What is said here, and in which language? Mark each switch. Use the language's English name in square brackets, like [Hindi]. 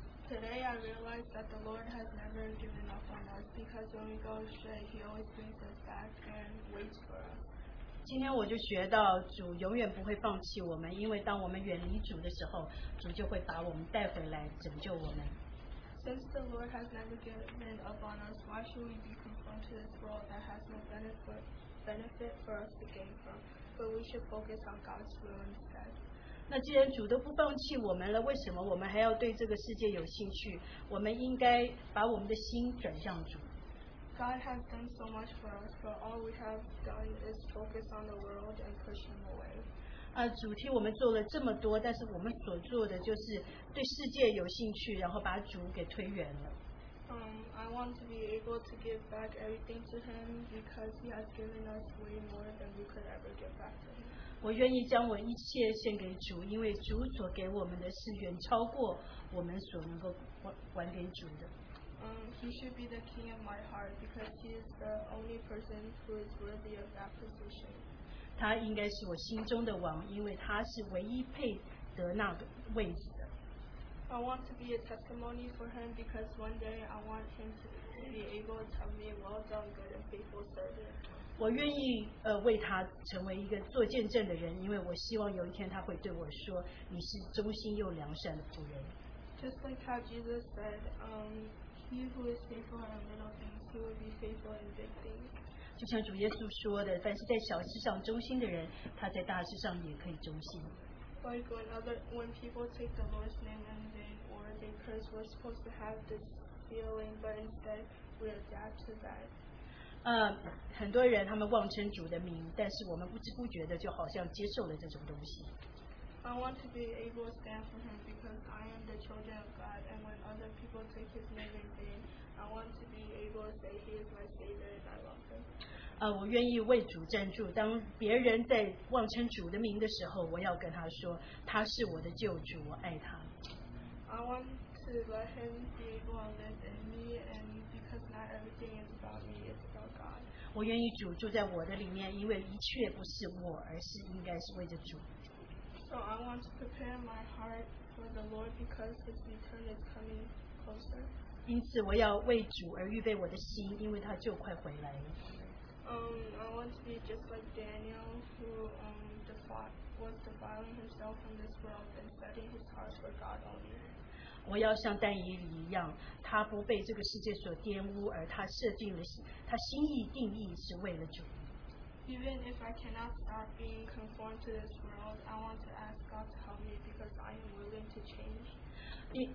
[English] Today I realized that the Lord has never given up on us because when we go astray, He always brings us back and waits for us. [Chinese] 今天我就学到主永远不会放弃我们，因为当我们远离主的时候，主就会把我们带回来拯救我们。 [English] Since the Lord has never given up on us, why should we be conformed to this world that has no benefit for us to gain from? But we should focus on God's will instead. [Chinese] 那既然主都不放弃我们了，为什么我们还要对这个世界有兴趣？我们应该把我们的心转向主。 [English] God has done so much for us, but all we have done is focus on the world and push Him away. [Chinese] 主替我们做了这么多，但是我们所做的就是对世界有兴趣，然后把主给推远了。 [English] I want to be able to give back everything to Him because He has given us way more than we could ever give back to Him. [Chinese] 我愿意将我一切献给主，因为主所给我们的是远超过我们所能够还给主的。 [English] He should be the king of my heart because He is the only person who is worthy of that position. [Chinese] 他应该是我心中的王，因为他是唯一配得那个位置的。 [English] I want to be a testimony for Him because one day I want Him to be able to tell me, "Well done, good and faithful servant." [Chinese] 我愿意为他成为一个做见证的人，因为我希望有一天他会对我说，你是忠心又良善的仆人。 [English] Just like how Jesus said, He who is faithful in little things, He will be faithful in big things. [Chinese] 就像主耶稣说的，凡是在小事上忠心的人，他在大事上也可以忠心。 [English] Like when people take the Lord's name in vain or they curse, we're supposed to have this feeling, but instead we adapt to that. [Chinese] 很多人他们妄称主的名，但是我们不知不觉的就好像接受了这种东西。 [English] I want to be able to stand for Him because I am the children of God, and when other people take His name in vain, I want to be able to say He is my Savior and I love Him. [Chinese] 我愿意为主站住。当别人在妄称主的名的时候，我要跟他说，他是我的救主，我爱他。 [English] I want to let Him be able to live in me, and because not everything is about me, it's about God. [Chinese] 我愿意主住在我的里面，因为一切不是我，而是应该是为着主。 [English] So I want to prepare my heart for the Lord because His return is coming closer. [Chinese] 因此我要为主而预备我的心，因为他就快回来了。 [English] I want to be just like Daniel, who was defiling himself from this world and setting his heart for God only. [Chinese] 我要像但以理一样，他不被这个世界所玷污，而他设定了他心意定义是为了主。 [English] Even if I cannot stop being conformed to this world, I want to ask God to help me because I am willing to change.